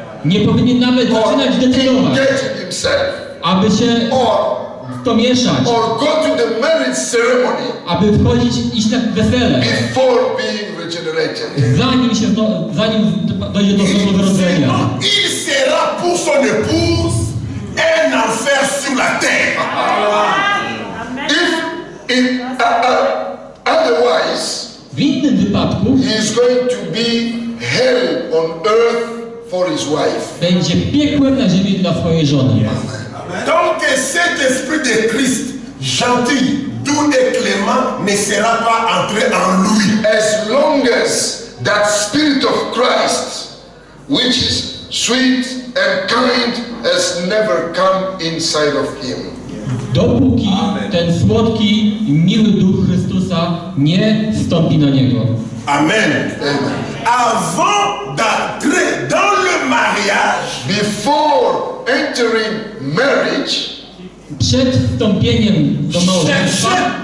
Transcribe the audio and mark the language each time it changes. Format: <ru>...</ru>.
<pl>Nie powinien nawet zaczynać decydować, aby się to mieszać,</pl> <en>or go to the marriage ceremony,</en> <pl>aby wchodzić, iść na wesele,</pl> <en>before being regenerated.</en> <pl>Zanim dojdzie do nowonarodzenia.</pl> <fr>Il sera pour son épouse un enfer sur la terre.</fr> <en>If in otherwise,</en> <pl>w innym wypadku,</pl> <en>he is going to be hell on earth for his wife.</en> <pl>Będzie piekłem na ziemi dla swojej żony.</pl> <fr>Tant que cet esprit de Christ, gentil, doux et clément, ne sera pas entré en lui.</fr> <en>As long as that spirit of Christ, which is sweet and kind, has never come inside of him.</en> <pl>dopóki ten słodki i miły Duch Chrystusa nie wstąpi na niego.</pl> <fr>Amen. Avant d'entrer dans le mariage,</fr> <en>before entering marriage,</en> <pl>przed wstąpieniem do małżeństwa,</pl>